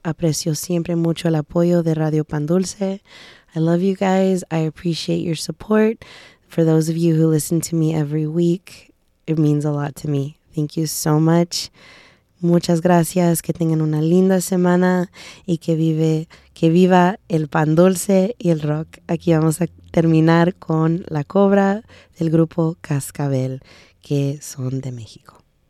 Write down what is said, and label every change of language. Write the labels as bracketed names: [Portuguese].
[Spanish] Aprecio siempre mucho el apoyo de Radio Pan Dulce. [English] I love you guys. I appreciate your support. For those of you who listen to me every week, it means a lot to me. Thank you so much. [Spanish] Muchas gracias. Que tengan una linda semana y que viva el pan dulce y el rock. Aquí vamos a terminar con La Cobra del grupo Cascabel, que son de México.